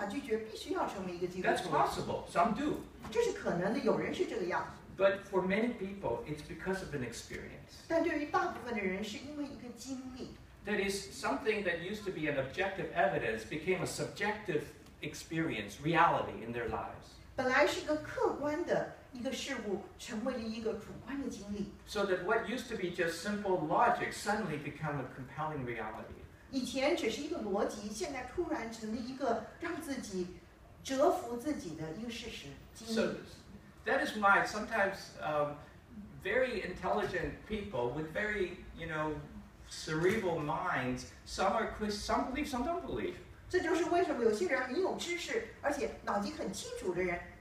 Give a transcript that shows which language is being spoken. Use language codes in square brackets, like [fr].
[zh] 我看了这一切,我就觉得我没有办法拒绝,必须要成为一个基督徒。 [en] That's possible, some do. [zh] 这是可能的,有人是这个样子。 [en] But for many people, it's because of an experience. [zh] 但对于大部分的人,是因为一个经历。 [en] That is, something that used to be an objective evidence became a subjective experience reality in their lives. [zh] 本来是一个客观的一个事物，成为了一个主观的经历。 [en] So that what used to be just simple logic suddenly become a compelling reality. [zh] 以前只是一个逻辑，现在突然成了一个让自己折服自己的一个事实经历。 [en] So that is why sometimes very intelligent people with very, you know, cerebral minds, some are Christians, some believe, some don't believe. [zh] 这就是为什么有些人很有知识，而且脑筋很清楚的人。